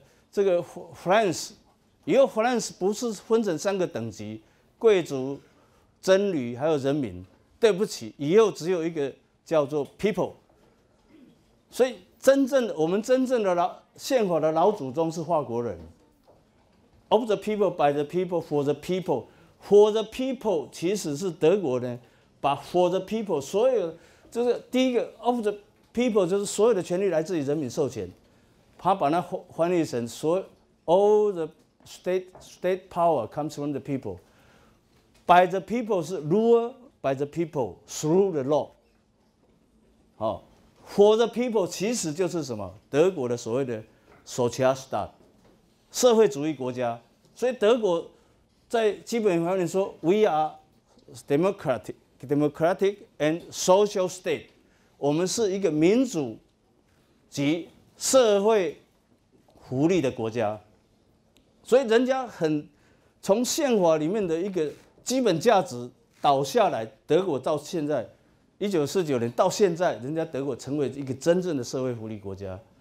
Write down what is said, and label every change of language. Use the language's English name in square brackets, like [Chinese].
[Chinese] 这个 France， 以后 France 不是分成三个等级，贵族、僧侣还有人民，对不起，以后只有一个叫做 people。所以真正我们真正的宪法的老祖宗是法国人。 [English] Of the people, by the people, [Chinese] for the people, for the people， 其实是德国人把 for the people， 所有就是第一个 of the people， 就是所有的权利来自于人民授权，他把它翻译成所有 [English] all the state power comes from the people。 By the people 是 rule by the people through the law。 [Chinese] For the people 其实就是什么？德国的所谓的 Sozialstaat， 社会主义国家。所以德国在基本法里说 ， [English] We are democratic and social state。 [Chinese] 我们是一个民主及社会福利的国家。所以人家很从宪法里面的一个基本价值倒下来，德国到现在。 1949年到现在，人家德国成为一个真正的社会福利国家。